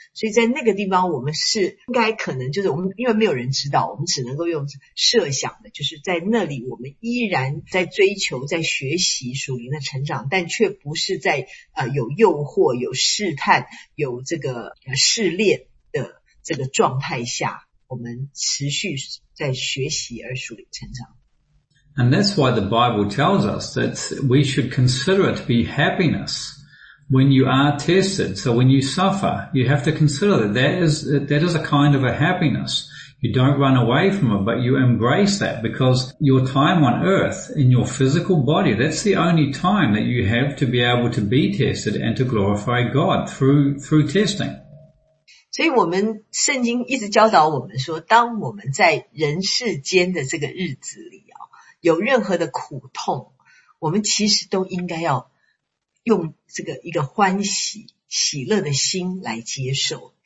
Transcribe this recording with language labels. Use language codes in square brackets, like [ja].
[zh] 所以在那个地方我们是应该可能就是我们因为没有人知道，我们只能够用设想的，就是在那里我们依然在追求在学习属灵的成长，但却不是在有诱惑有试探有这个试炼的这个状态下我们持续在学习而属灵成长。 [en] And that's why the Bible tells us that we should consider it to be happiness when you are tested. So when you suffer, you have to consider that that is a kind of a happiness. You don't run away from it, but you embrace that because your time on earth in your physical body, that's the only time that you have to be able to be tested and to glorify God through testing. [zh] 所以我们圣经一直教导我们说，当我们在人世间的这个日子里啊，有任何的苦痛，我们其实都应该要用这个一个欢喜喜乐的心来接受。